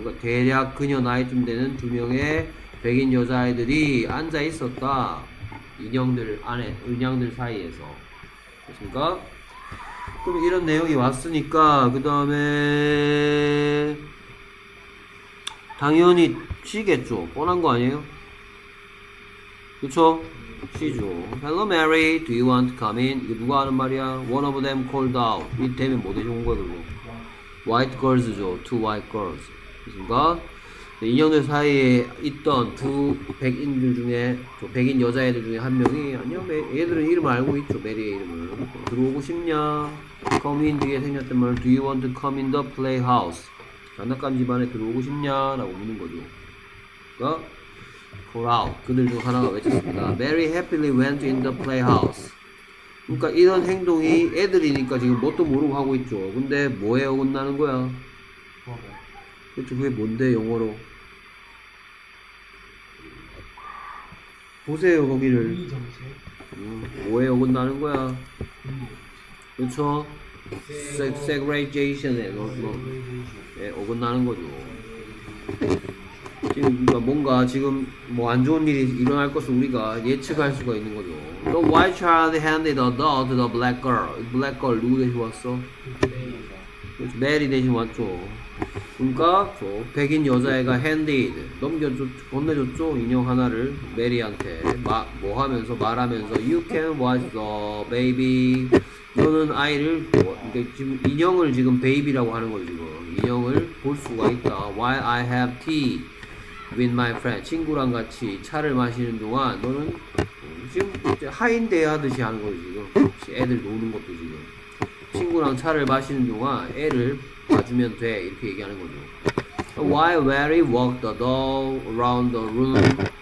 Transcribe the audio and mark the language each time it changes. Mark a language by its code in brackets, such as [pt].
[ko] 그러니까 대략 그녀 나이쯤 되는 두 명의 백인 여자아이들이 앉아 있었다. 인형들 안에 은양들 사이에서. 그렇습니까? 그럼 이런 내용이 왔으니까 그 다음에 당연히 쉬겠죠. 뻔한 거 아니에요? 그쵸? 쉬죠. [en] Hello Mary, do you want to come in? [ko] 이게 누가 하는 말이야? [en] One of them called out. [ko] 이 때문에 뭐 대신 온 거야 그거? [en] White girls죠. Two white girls. [ko] 그니까 인형들 사이에 있던 두 백인들 중에 저 백인 여자애들 중에 한 명이 안녕 얘들은 이름 알고 있죠. 메리의 이름을. 들어오고 싶냐? [en] Come in [ko] 뒤에 생겼던 말 [en] Do you want to come in the playhouse? [ko] 장난감 집안에 들어오고 싶냐? 라고 묻는 거죠. 그러니까 Call out. 그들 중 하나가 외쳤습니다. [en] Very happily went in the playhouse. [ko] 그러니까 이런 행동이 애들이니까 지금 뭣도 모르고 하고 있죠. 근데 뭐에 어긋나는 거야? 그쵸, 그게 뭔데, 영어로? 보세요, 거기를. 뭐에 어긋나는 거야? 그쵸? Segregation에 네, 어긋나는 거죠. 지금 뭔가 지금 뭐 안 좋은 일이 일어날 것을 우리가 예측할 수가 있는 거죠. [en] The white child handed a dog to the black girl. [ko] Black girl 누구 대신 왔어? 그쵸, 메리 대신 왔죠. 그러니까 저 백인 여자애가 핸디드 넘겨줬 건네줬죠. 인형 하나를 메리한테 뭐 하면서 말하면서 [en] You can watch the baby. [ko] 너는 아이를 뭐, 그러니까 지금 인형을 지금 베이비라고 하는 거죠. 지금 인형을 볼 수가 있다. [en] While I have tea with my friend [ko] 친구랑 같이 차를 마시는 동안 너는 지금 하인데이 하듯이 하는 거죠. 지금 애들 노는 것도 지금 친구랑 차를 마시는 동안 애를 봐주면 돼 이렇게 얘기하는 거죠. [en] Why Mary walked the dog around the room?